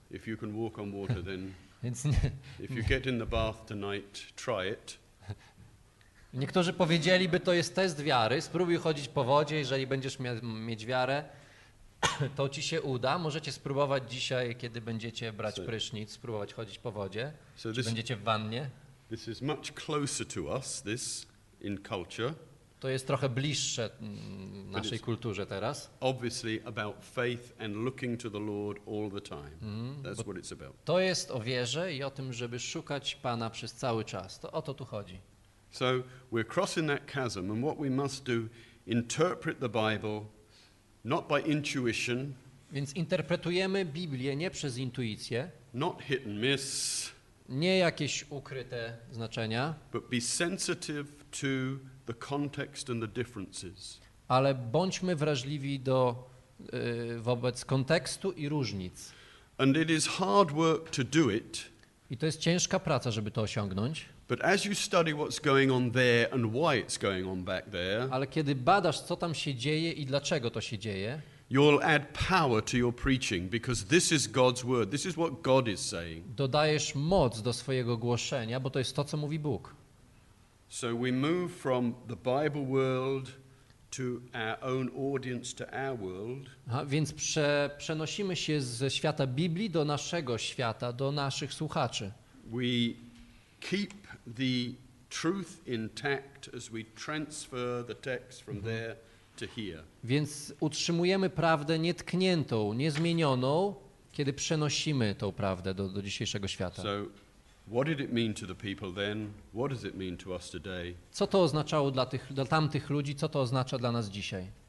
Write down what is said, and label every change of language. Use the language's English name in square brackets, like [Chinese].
[English] If you can walk on water, then if you get in the bath tonight, try it. [Polish] Niektórzy powiedzieliby, to jest test wiary, spróbuj chodzić po wodzie, jeżeli będziesz mieć wiarę, to ci się uda. Możecie spróbować dzisiaj, kiedy będziecie brać prysznic, spróbować chodzić po wodzie, so czy będziecie w wannie. [English] This is much closer to us, this in culture. [Polish] To jest trochę bliższe naszej kulturze teraz. [English] Obviously about faith and looking to the Lord all the time. That's what it's about. [Polish] To jest o wierze i o tym, żeby szukać Pana przez cały czas. To o to tu chodzi. [English] So we're crossing that chasm and what we must do, interpret the Bible not by intuition. [Polish] Więc interpretujemy Biblię nie przez intuicję. [English] Not hit and miss. [Polish] Nie jakieś ukryte znaczenia. [English] But be sensitive to the context and the differences. [Polish] Ale bądźmy wrażliwi do wobec kontekstu i różnic. [English] And it is hard work to do it. [Polish] I to jest ciężka praca, żeby to osiągnąć. [English] But as you study what's going on there and why it's going on back there, [Polish] ale kiedy badasz, co tam się dzieje i dlaczego to się dzieje, [English] you'll add power to your preaching because this is God's word. This is what God is saying. [Polish] Dodajesz moc do swojego głoszenia, bo to jest to, co mówi Bóg. [English] So we move from the Bible world to our own audience, to our world. [Polish] A więc przenosimy się ze świata Biblii do naszego świata, do naszych słuchaczy. [English] We keep the truth intact as we transfer the text from there to here. [Polish] Więc utrzymujemy prawdę nietkniętą, niezmienioną, kiedy przenosimy tą prawdę do dzisiejszego świata. [English] So, what did it mean to the people then? What does it mean to us today? [Polish] Co to oznaczało dla tamtych ludzi? Co to oznacza dla nas dzisiaj?